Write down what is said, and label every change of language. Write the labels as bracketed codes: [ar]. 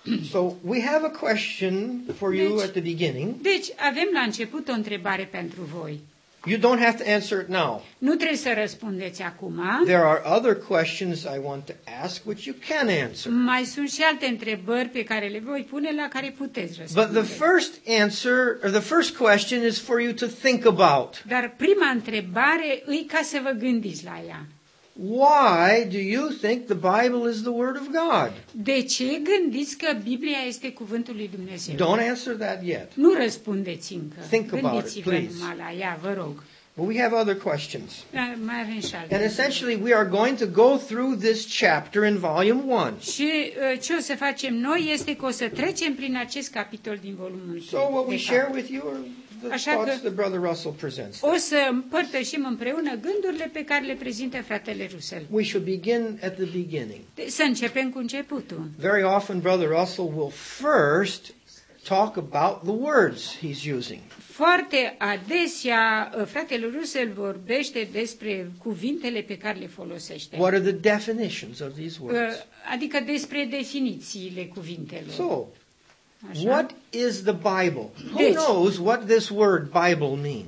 [en] So we have a question for you at the beginning. [ro] Deci avem la început o întrebare pentru voi. [en] You don't have to answer it now. [ro] Nu trebuie să răspundeți acum. [en] There are other questions I want to ask which you can answer. [ro] Mai sunt și alte întrebări pe care le voi pune la care puteți răspunde. [en] But the first answer or the first question is for you to think about. [ro] Dar prima întrebare e ca să vă gândiți la ea. [en] Why do you think the Bible is the word of God? [ro] De ce gândiți că Biblia este cuvântul lui Dumnezeu? [en] Don't answer that yet. [ro] Nu răspundeți încă. [en] Think about it, please. [ro] Gândiți-vă la ea, vă rog. [en] But we have other questions. [ro] Mai avem și alte. [en] And essentially we are going to go through this chapter in volume 1. [ro] Și ce o să facem noi este că o să trecem prin acest capitol din volumul 1. [en] So what we share with you are the thoughts that Brother Russell presents. [ro] O să împărtășim împreună gândurile pe care le prezintă fratele Russell. [en] We should begin at the beginning. [ro] Să începem cu începutul. [en] Very often Brother Russell will first talk about the words he's using. [ro] Foarte adesea fratele Russell vorbește despre cuvintele pe care le folosește. [en] What are the definitions of these words? [ro] Adică despre definițiile cuvintelor. [en] So, what is the Bible? Who knows what this word Bible means?